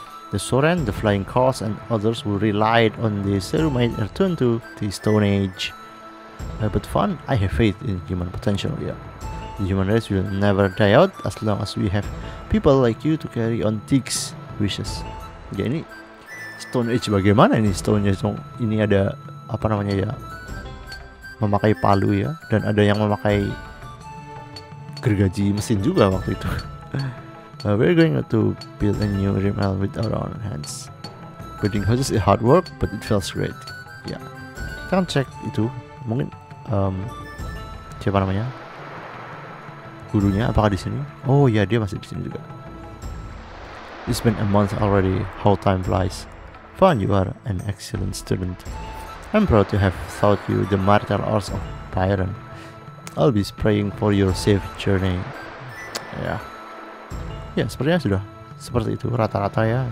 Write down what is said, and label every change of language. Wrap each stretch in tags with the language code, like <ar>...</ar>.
<en>The Soren, the Flying Cars, and others who relied on the Seru might return to the Stone Age. But fun, I have faith in human potential here. The human race will never die out as long as we have people like you to carry on Teak's wishes.</en> <id>Ya ini Stone Age bagaimana ini Stone Age? Ini ada apa namanya ya? Memakai palu ya, dan ada yang memakai gergaji mesin juga waktu itu.</id> <en>We're going to build a new realm with our own hands. Building houses is hard work, but it feels great. Ya, yeah.</en> <id>Kita cek itu mungkin siapa namanya? Gurunya apakah di sini? Oh ya, yeah, dia masih di sini juga.</id> <en>It's been a month already. How time flies. Fun, you are an excellent student. I'm proud to have taught you the martial arts of Byron. I'll be praying for your safe journey. Ya. Yeah.</en> <id>Ya, yeah, sepertinya sudah seperti itu rata-rata ya.</id>